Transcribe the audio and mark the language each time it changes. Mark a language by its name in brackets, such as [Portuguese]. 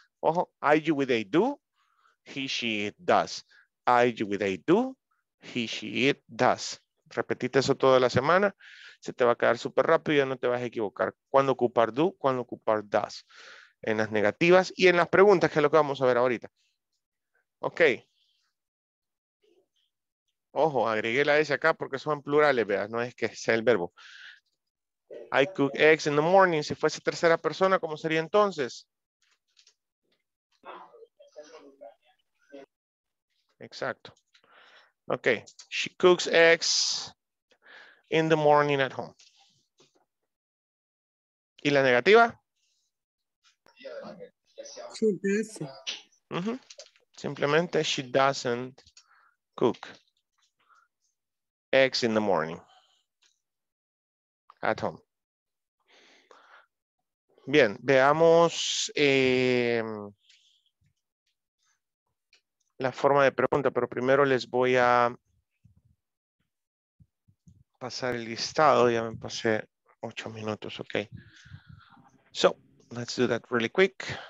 [English] Ojo, I, you, with they do, he, she, it, does. I, you, with they do, he, she, it, does. [Spanish] Repetite eso toda la semana. Se te va a quedar súper rápido y ya no te vas a equivocar. ¿Cuándo ocupar do? ¿Cuándo ocupar does? En las negativas y en las preguntas, que es lo que vamos a ver ahorita. Ok. Ojo, agregué la S acá porque son plurales, ¿verdad? No es que sea el verbo. [English] I cook eggs in the morning. [Spanish] Si fuese tercera persona, ¿cómo sería entonces? Exacto. Ok. [English] She cooks eggs in the morning at home. [Spanish] ¿Y la negativa? [English] She doesn't. Uh-huh. Simplemente she doesn't cook eggs in the morning at home. [Spanish] Bien, veamos la forma de pregunta, pero primero les voy a pasar el listado. Ya me pasé 8 minutos, [English] ok. So, let's do that really quick.